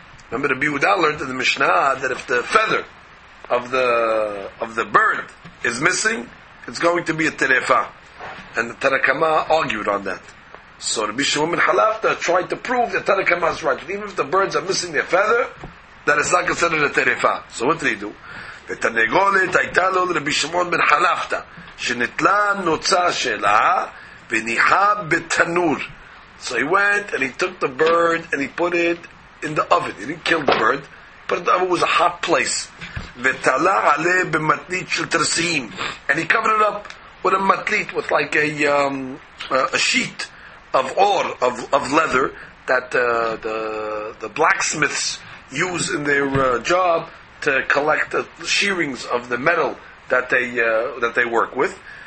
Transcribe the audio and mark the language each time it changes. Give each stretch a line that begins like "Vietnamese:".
English: Remember, the Biyuda learned in the Mishnah that if the feather of the bird is missing, it's going to be a terefa. And the Tanakama argued on that. So Rabbi Shimon ben Halafta tried to prove that Tanakama is right. Even if the birds are missing their feather, that it's not considered a terefa. So what did he do?
Hebrew: ותנגולת הייתה לו לרבי שמעון בן חלפתא, שנטלה נוצה שלה וניחה בתנור.
English: So he went and he took the bird and he put it in the oven. He didn't kill the bird, but the oven was a hot place.
Hebrew: ותלה עליה במטלית של תרסיים.
English: And he covered it up with a matlit, with like a sheet of ore, of leather, that the blacksmiths use in their job to collect the shearings of the metal that they work with.